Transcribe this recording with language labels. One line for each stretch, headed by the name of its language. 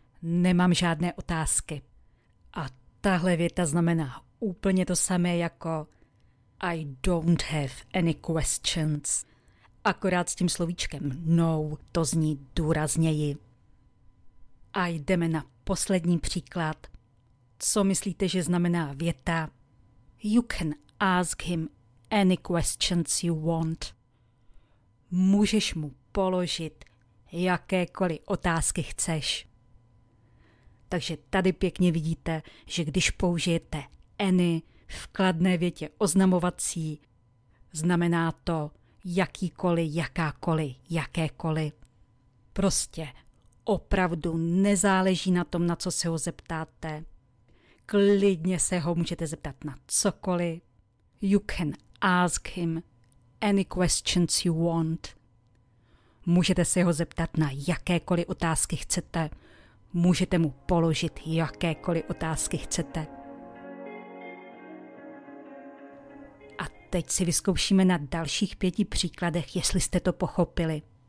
Czech: Nemám žádné otázky. A tahle věta znamená úplně to samé jako
English: I don't have any questions.
Czech: Akorát s tím slovíčkem no, to zní důrazněji. A jdeme na poslední příklad. Co myslíte, že znamená věta?
English: You can ask him any questions you want.
Czech: Můžeš mu položit jakékoliv otázky chceš. Takže tady pěkně vidíte, že když použijete any v kladné větě oznamovací, znamená to jakýkoliv, jakákoliv, jakékoliv. Prostě opravdu nezáleží na tom, na co se ho zeptáte. Klidně se ho můžete zeptat na cokoliv.
English: You can ask him any questions you want.
Czech: Můžete se ho zeptat na jakékoliv otázky chcete. Můžete mu položit jakékoliv otázky chcete. A teď si vyzkoušíme na dalších pěti příkladech, jestli jste to pochopili.